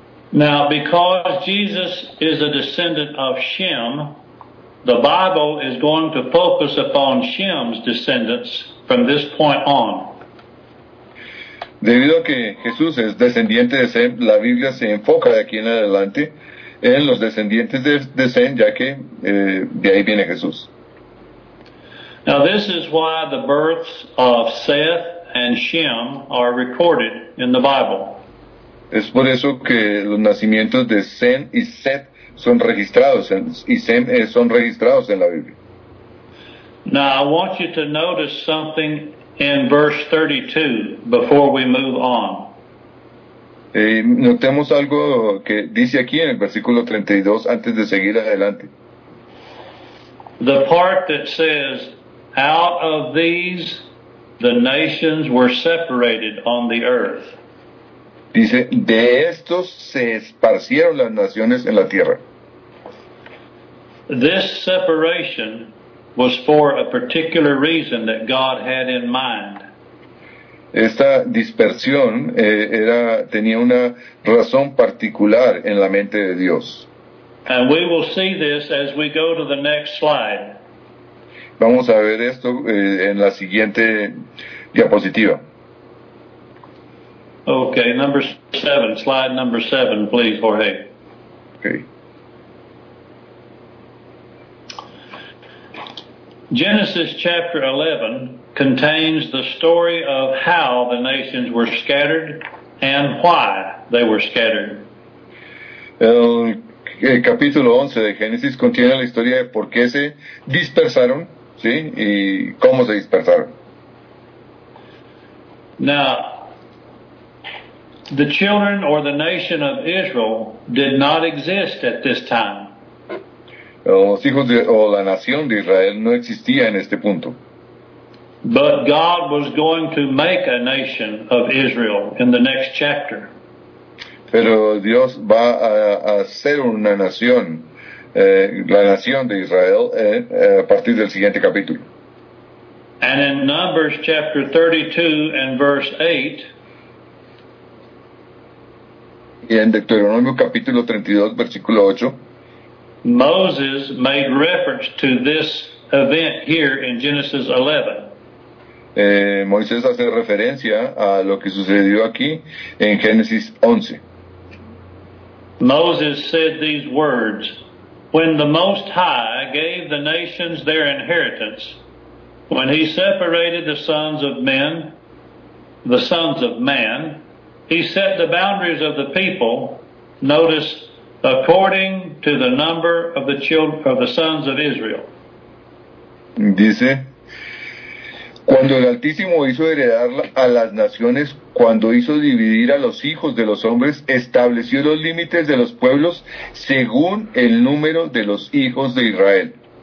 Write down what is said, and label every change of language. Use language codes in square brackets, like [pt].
[en] Now, because Jesus is a descendant of Shem, the Bible is going to focus upon Shem's descendants from this point on. [es] Debido a que Jesús es descendiente de Sem, la Biblia se enfoca de aquí en adelante en los descendientes de Sem, ya que de ahí viene Jesús. [en] Now, this is why the births of Seth and Shem are recorded in the Bible. [es] Es por eso que los nacimientos de Sem y Seth son registrados, y Sem son registrados en la Biblia. [en] Now, I want you to notice something in verse 32 before we move on. [es] Notemos algo que dice aquí en el versículo 32 antes de seguir adelante. [en] The part that says, out of these the nations were separated on the earth. [es] Dice, de estos se esparcieron las naciones en la tierra. [en] This separation was for a particular reason that God had in mind. [es] Esta dispersión tenía una razón particular en la mente de Dios. [en] And we will see this as we go to the next slide. [es] Vamos a ver esto en la siguiente diapositiva. [en] Okay, number 7, slide number 7, please, Jorge. Okay. Genesis chapter 11 contains the story of how the nations were scattered and why they were scattered. [es] El capítulo 11 de Génesis contiene la historia de por qué se dispersaron, ¿sí? Y cómo se dispersaron. [en] Now, the children or the nation of Israel did not exist at this time. [es] Los hijos de, o la nación de Israel no existía en este punto. [en] But God was going to make a nation of Israel in the next chapter. [es] Pero Dios va a hacer una nación, la nación de Israel, a partir del siguiente capítulo. [en] And in Numbers chapter 32 and verse 8, [es] y en Deuteronomio capítulo 32, versículo 8, [en] Moses made reference to this event here in Genesis 11. [es] Moisés hace referencia a lo que sucedió aquí en Génesis 11. [en] Moses said these words, "When the Most High gave the nations their inheritance, when he separated the sons of men, the sons of man, he set the boundaries of the people, notice, according to the number of the children of the sons of Israel." [es] Dice, cuando el Altísimo hizo heredar a las naciones, cuando hizo dividir a los hijos de los hombres, estableció los límites de los pueblos según el número de los hijos de Israel.